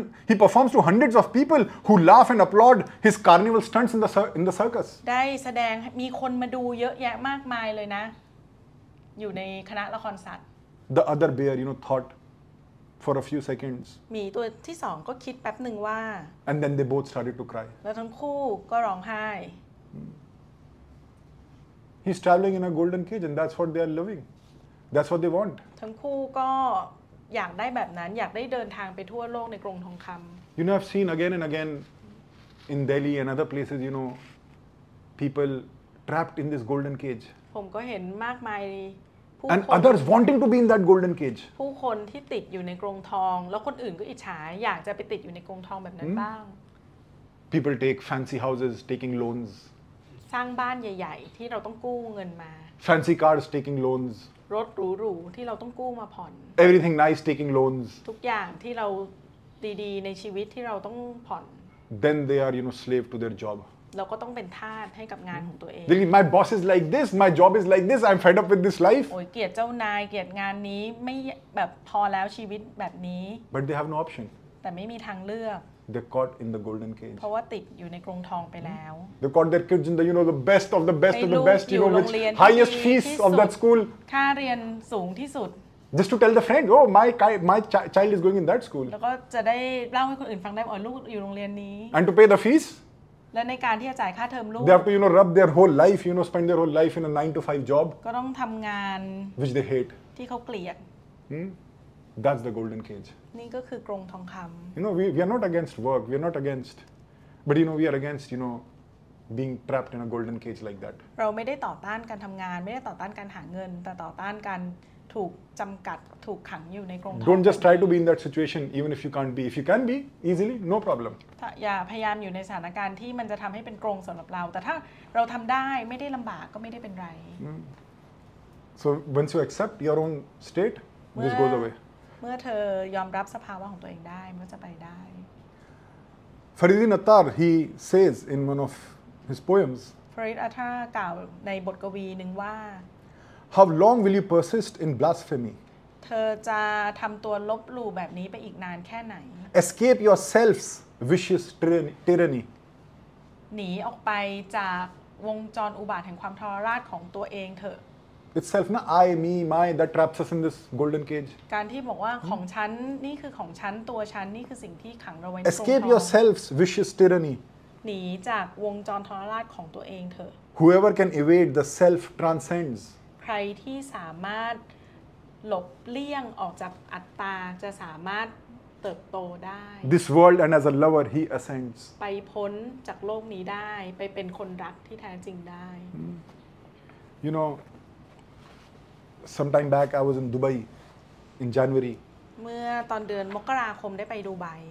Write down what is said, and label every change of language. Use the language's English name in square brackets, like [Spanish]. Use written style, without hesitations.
[English] he performs to hundreds of people who laugh and applaud his carnival stunts in the circus [Thai] ได้แสดงมีคนมาดูเยอะแยะมากมายเลยนะอยู่ในคณะละครสัตว์ [English] the other bear you know thought for a few seconds [Thai] มีตัวที่2ก็คิดแป๊บนึงว่า [English] and then they both started to cry [Thai] แล้วทั้งคู่ก็ร้องไห้ [English] He's traveling in a golden cage, and that's what they are loving. That's what they want. [Thai] ทั้งคู่ก็อยากได้แบบนั้นอยากได้เดินทางไปทั่วโลกในกรงทองคำ [English] You know, I've seen again and again in Delhi and other places. You know, people trapped in this golden cage. [Thai] ผมก็เห็นมากมายผู้ค [English] น And others wanting to be in that golden cage. [Thai] ผู้คนที่ติดอยู่ในกรงทองแล้วคนอื่นก็อิจฉาอยากจะไปติดอยู่ในกรงทองแบบนั้นบ้าง [English] People take fancy houses, taking loans. [Thai] สร้างบ้านใหญ่ๆที่เราต้องกู้เงินมา [English] Fancy cars taking loans [Thai] รถหรูๆที่เราต้องกู้มาผ่อน [English] Everything nice taking loans [Thai] ทุกอย่างที่เราดีๆในชีวิตที่เราต้องผ่อน [English] Then they are you know slave to their job [Thai] เราก็ต้องเป็นทาสให้กับงานของตัวเอง [English] Really my boss is like this my job is like this I'm fed up with this life [Thai] โอ้ยเกลียดเจ้านายเกลียดงานนี้ไม่แบบพอแล้วชีวิตแบบนี้ [English] But they have no option [Thai] แต่ไม่มีทางเลือก [English] They're caught in the golden cage. [Thai] เพราะว่าติดอยู่ในกรงทองไปแล้ว [English] They caught their kids in the you know the best of the best of the best you know which highest fees of that school. [Thai] ค่าเรียนสูงที่สุด [English] Just to tell the friend, oh my child is going in that school. [Thai] แล้วก็จะได้เล่าให้คนอื่นฟังได้ว่าลูกอยู่โรงเรียนนี้ [English] And to pay the fees. [Thai] และในการที่จะจ่ายค่าเทอมลูก [English] They have to you know rub their whole life you know spend their whole life in a 9-to-5 job. [Thai] ก็ต้องทำงาน [English] Which they hate. [Thai] ที่เขาเกลียด [English] That's the golden cage. [Thai] นี่ก็คือกรงทองคำ [English] You know we are not against work we are not against but you know we are against you know being trapped in a golden cage like that [Thai] เราไม่ได้ต่อต้านการทำงานไม่ได้ต่อต้านการหาเงินแต่ต่อต้านการถูกจำกัดถูกขังอยู่ในกรงทอง [English] Don't just try to be in that situation even if you can't be if you can be easily no problem [Thai] อย่าพยายามอยู่ในสถานการณ์ที่มันจะทำให้เป็นกรงสำหรับเราแต่ถ้าเราทำได้ไม่ได้ลำบากก็ไม่ได้เป็นไร [English] So once you accept your own state this goes away [Thai] เมื่อเธอยอมรับสภาวะของตัวเองได้มันก็จะไปได้ [English] Faridin Attar he says in one of his poems [Thai] Farid Attar กล่าวในบทกวีหนึ่งว่า [English] How long will you persist in blasphemy [Thai] เธอจะทำตัวลบหลู่แบบนี้ไปอีกนานแค่ไหน [English] Escape yourself's vicious tyranny [Thai] หนีออกไปจากวงจรอุบาทแห่งความทรราชของตัวเองเถอะ [English] itself นะ I me my that traps us in this golden cage [Thai] การที่บอกว่าของฉันนี่คือของฉันตัวฉันนี่คือสิ่งที่ขังเราไว้ในตัว [English] escape yourself's vicious tyranny [Thai] หนีจากวงจรทรราชของตัวเองเถอะ [English] whoever can evade the self transcends [Thai] ใครที่สามารถ หลบเลี่ยงออกจากอัตตาจะสามารถเติบโตได้ [English] This world and as a lover he ascends [Thai] ไปพ้นจากโลกนี้ได้ไปเป็นคนรักที่แท้จริงได้ [English] You know sometime back I was in Dubai in January [Thai] เมื่อตอนเดือนมกราคมได้ไปดูไบ